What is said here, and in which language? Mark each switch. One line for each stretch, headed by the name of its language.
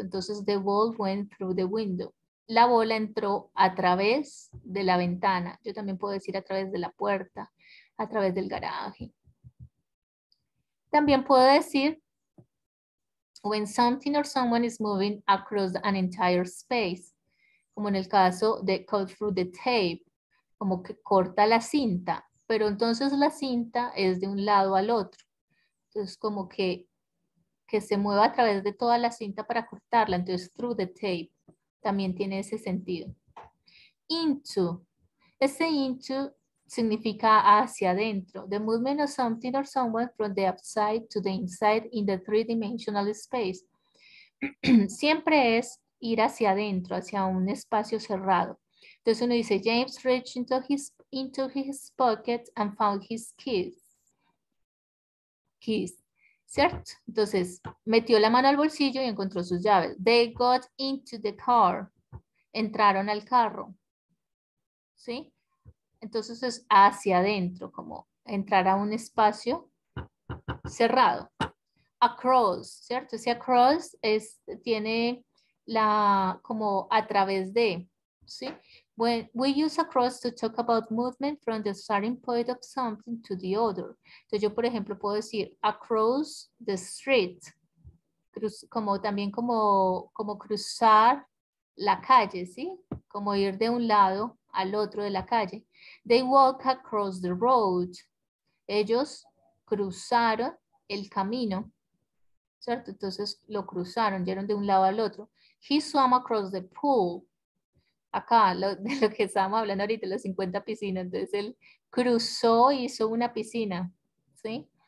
English: Entonces the ball went through the window.
Spanish: La bola entró a través de la ventana. Yo también puedo decir a través de la puerta, a través del garaje. También puedo decir
English: when something or someone is moving across an entire space,
Spanish: como en el caso de
English: cut through the tape,
Spanish: como que corta la cinta, pero entonces la cinta es de un lado al otro. Entonces como que se mueva a través de toda la cinta para cortarla, entonces
English: through the tape
Spanish: también tiene ese sentido. Into, ese into significa hacia adentro.
English: The movement of something or someone from the outside to the inside in the three-dimensional space.
Spanish: Siempre es ir hacia adentro, hacia un espacio cerrado. Entonces uno dice,
English: James reached into his pocket and found his keys.
Spanish: Keys, ¿cierto? Entonces metió la mano al bolsillo y encontró sus llaves.
English: They got into the car.
Spanish: Entraron al carro. ¿Sí? Entonces es hacia adentro, como entrar a un espacio cerrado. Across, ¿cierto? Ese across es, tiene la, como a través de, ¿sí?
English: When we use across to talk about movement from the starting point of something to the other.
Spanish: Entonces yo, por ejemplo, puedo decir
English: across the street,
Spanish: como también como cruzar la calle, ¿sí? Como ir de un lado al otro de la calle.
English: They walk across the road.
Spanish: Ellos cruzaron el camino, ¿cierto? Entonces lo cruzaron, llegaron de un lado al otro.
English: He swam across the pool.
Spanish: Acá, de lo que estábamos hablando ahorita, las 50 piscinas. Entonces él cruzó, hizo una piscina, ¿sí?